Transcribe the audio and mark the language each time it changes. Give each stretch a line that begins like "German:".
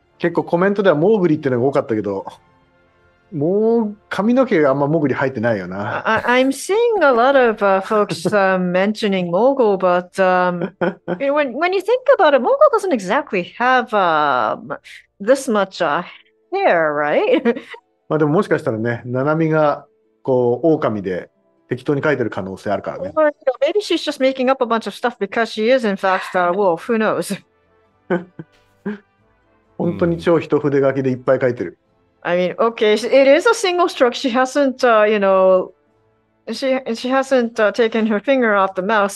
Japanese: 結構コメントではモーグリってのが多かったけど、もう髪の毛があんまモーグリ入ってないよな。
English: I'm seeing a lot of folks mentioning Mogul, but when you think about it, Mogul doesn't exactly have this much hair, right?
Japanese: まあでももしかしたらね、ナナミがこう狼で適当に書いてる可能性あるからね。
English: Or, you know, maybe she's just making up a bunch of stuff because she is in fact a wolf. Who knows?
Japanese: 本当に超一筆書きでいっぱい書いてる。
English: I mean, okay, it is a single stroke. She hasn't, you know, she hasn't taken her finger off the mouse.